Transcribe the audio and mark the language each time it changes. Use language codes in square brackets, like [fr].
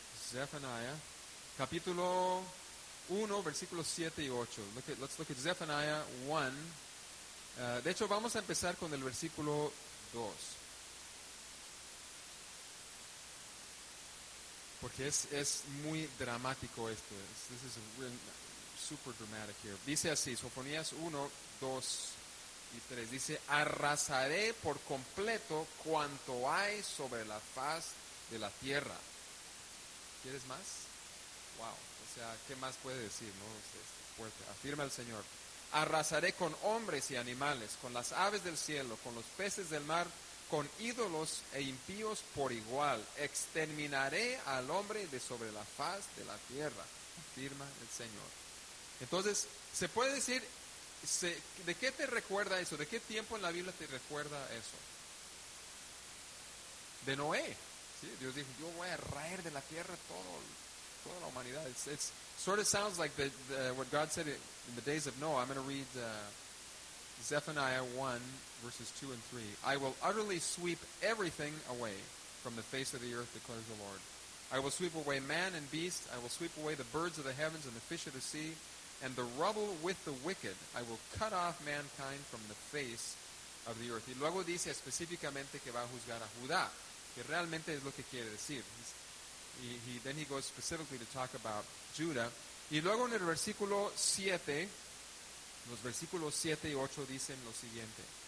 [es] Zephaniah, capítulo 1, versículos 7 y 8. [en] Let's look at Zephaniah 1. [es] De hecho, vamos a empezar con el versículo 2. Porque es muy dramático esto. [en] This is real, super dramatic here. [es] Dice así, Sofonías 1, 2 y 3. Dice, arrasaré por completo cuanto hay sobre la faz de la tierra. ¿Quieres más? Wow. O sea, ¿qué más puede decir? No, es fuerte. Afirma el Señor. Arrasaré con hombres y animales, con las aves del cielo, con los peces del mar, con ídolos e impíos por igual. Exterminaré al hombre de sobre la faz de la tierra, afirma el Señor. Entonces, ¿se puede decir, de qué te recuerda eso? ¿De qué tiempo en la Biblia te recuerda eso? De Noé. ¿Sí? Dios dijo, yo voy a raer de la tierra toda la humanidad. [en] It's sort of sounds like the what God said in the days of Noah. I'm going to read Zephaniah 1, verses 2 and 3. I will utterly sweep everything away from the face of the earth, declares the Lord. I will sweep away man and beast. I will sweep away the birds of the heavens and the fish of the sea, and the rubble with the wicked. I will cut off mankind from the face of the earth. [es] Y luego dice específicamente que va a juzgar a Judá, que realmente es lo que quiere decir. [en] Then he goes specifically to talk about Judah. [es] Y luego en el versículo 7, los versículos 7 y 8 dicen lo siguiente.